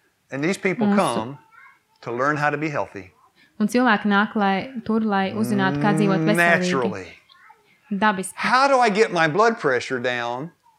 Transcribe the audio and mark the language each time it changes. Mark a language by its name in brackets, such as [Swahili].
[English] And these people come to learn how to be healthy. [Latvian] Un cilvēki nāk, lai tur, lai uzzinātu, kā dzīvot veselīgi. [English] Naturally. [Latvian] Dabiski. [English] How do I get my blood pressure down?